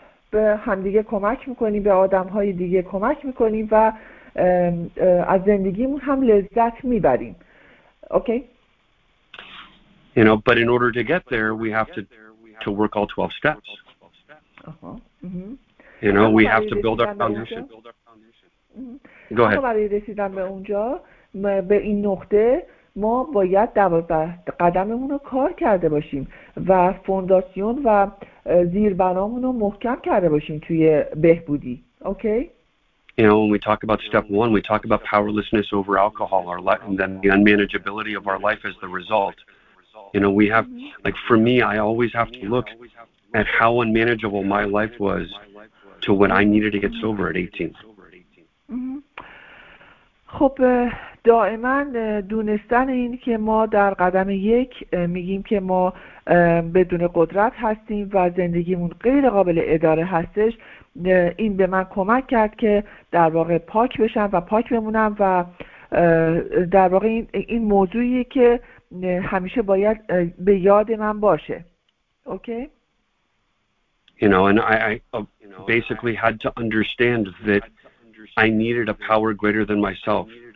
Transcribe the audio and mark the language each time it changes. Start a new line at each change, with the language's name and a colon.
Persian: به همدیگه کمک میکنیم، به آدمهای دیگه کمک میکنیم و از زندگیمون هم لذت میبریم. اوکی؟
English: You know, but in order to get there, we have to work all 12 steps. Uh-huh. You know, we have to build our foundation. Go ahead.
Persian: برای رسیدن به اونجا، به این نقطه، ما باید 12 قدممون رو کار کرده باشیم و فونداسیون و زیربنامون رو محکم کرده باشیم توی بهبودی. اوکی؟
English: You know, when we talk about step one, we talk about powerlessness over alcohol or and then the unmanageability of our life as the result. You know, we have, like for me, I always have to look at how unmanageable my life was to when I needed to get sober at 18.
Persian: خب دائما دونستن این که ما در قدم یک میگیم که ما بدون قدرت هستیم و زندگیمون غیر قابل اداره هستش، این به من کمک کرد که در واقع پاک بشم و پاک بمونم و در واقع این موضوعی که همیشه باید به یاد من باشه. اوکی؟
English: You know, and I basically had to understand that I needed a power greater than myself.